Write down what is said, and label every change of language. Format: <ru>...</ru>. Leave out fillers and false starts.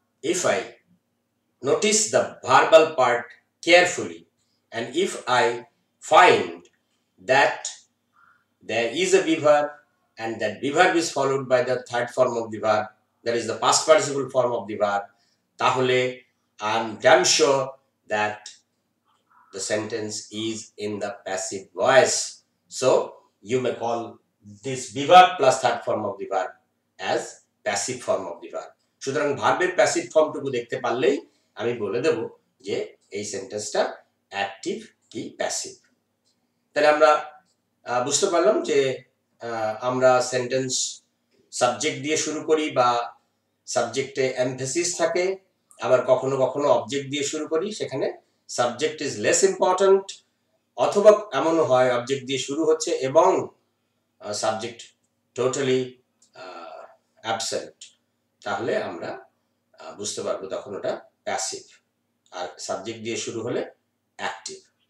<en>if I notice the verbal part carefully and if I find that there is a be verb and that be verb is followed by the third form of the verb, that is the past participle form of the verb,</en> <bn>তাহলে</bn> <en>I'm damn sure that the sentence is in the passive voice. So you may call this verb plus third form of the verb as passive form of the verb.</en> <bn>সুতরাং ভার্বের passive ফর্মটুকু দেখতে পারলেই আমি বলে দেব যে এই সেন্টেন্সটা অ্যাক্টিভ কি প্যাসিভ। তাহলে আমরা বুঝতে পারলাম যে আমরা সেন্টেন্স সাবজেক্ট দিয়ে শুরু করি বা সাবজেক্টে এমফেসিস থাকে, আবার কখনো কখনো অবজেক্ট দিয়ে শুরু করি সেখানে</bn> <en>subject is less important,</en> <bn>অথবা এমনও হয় অবজেক্ট দিয়ে শুরু হচ্ছে এবং সাবজেক্ট টোটালি অ্যাবসেন্ট, তাহলে আমরা বুঝতে পারবো তখন ওটা প্যাসিভ, আর সাবজেক্ট দিয়ে শুরু হলে অ্যাক্টিভ।</bn>